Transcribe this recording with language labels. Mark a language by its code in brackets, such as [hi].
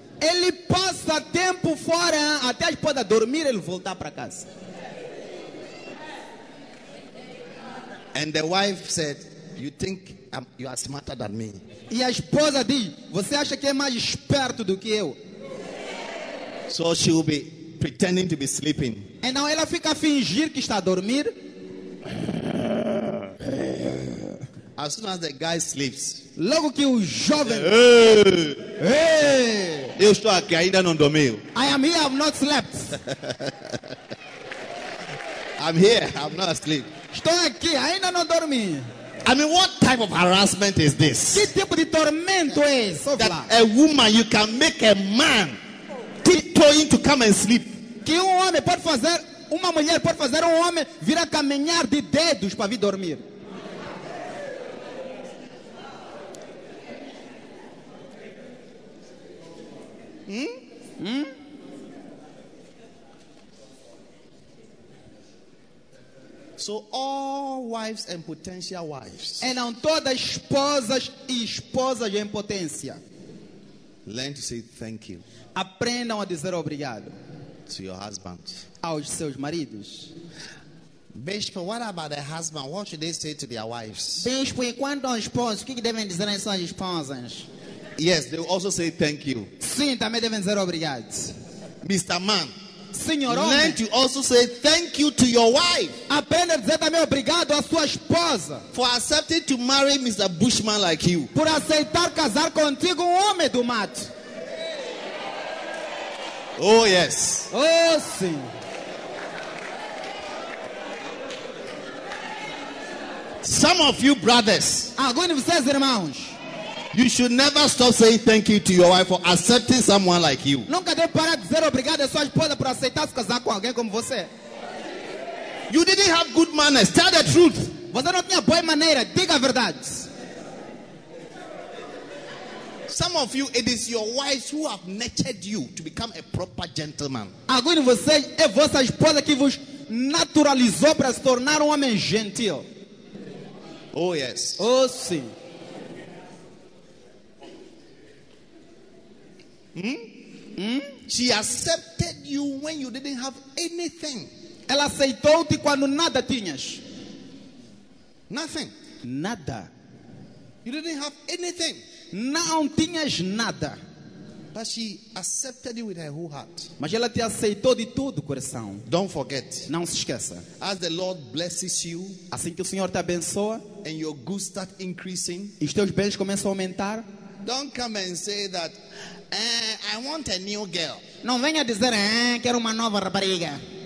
[pt] Ele passa tempo fora até a esposa dormir ele voltar para casa. [en] And the wife said, "You think you are smarter than me?" [pt] E a esposa diz, "Você acha que é mais esperto do que eu?" [en] So she will be pretending to be sleeping. [pt] E não ela fica a fingir que está a dormir. [en] As soon as the guy sleeps. [pt] Logo que o jovem. Hey. Eu estou aqui ainda não dormiu. [en] I am here. I've not slept. I'm here. I'm not asleep. [pt] Estou aqui. Ainda não dormi. [en] I mean, what type of harassment is this? [pt] Que tipo de tormento é isso? [en] That a woman you can make a man tiptoeing to come and sleep. [pt] Que homem pode fazer uma mulher pode fazer homem vir a caminhar de dedos para vir dormir? [en] So all wives and potential wives. [pt] E não todas esposas e esposas em potência. [en] Learn to say thank you. [pt] Aprendam a dizer obrigado. [en] To your husband. [pt] Aos seus maridos. [en] Bispo, what about the husband? What should they say to their wives? [pt] Bispo, enquanto os esposos, o que devem dizer às suas esposas? [en] Yes, they will also say thank you. [pt] Sim, também devem dizer obrigado. [en] Mr. Man. [pt] Senhor homem. [en] Learn to also say thank you to your wife. [pt] Aprenda a dizer também obrigado à sua esposa. [en] For accepting to marry Mr. Bushman like you. [pt] Por aceitar casar contigo homem do mato. [en] Oh, yes. [pt] Oh, sim. [en] Some of you brothers. [pt] Alguns de vocês irmãos. [en] You should never stop saying thank you to your wife for accepting someone like you. [pt] Nunca deve parar de dizer obrigado à sua esposa por aceitar se casar com alguém como você. [en] You didn't have good manners. Tell the truth. [pt] Você não tinha boa maneira. Diga a verdade. [en] Some of you, it is your wives who have nurtured you to become a proper gentleman. [pt] Alguns de vocês é vossa esposa que vos naturalizou para se tornar homem gentil. [en] Oh yes. [pt] Oh sim. [en] She accepted you when you didn't have anything. [pt] Ela aceitou-te quando nada tinhas. [en] Nothing. [pt] Nada. [en] You didn't have anything. [pt] Não tinhas nada. [en] But she accepted you with her whole heart. [pt] Mas ela te aceitou de todo o coração. [en] Don't forget. [pt] Não se esqueça. [en] As the Lord blesses you, [pt] assim que o Senhor te abençoa, [en] and your goods start increasing, [pt] e os teus bens começam a aumentar, [en] don't come and say that. I want a new girl. [pt] Não venha dizer, quero uma nova rapariga.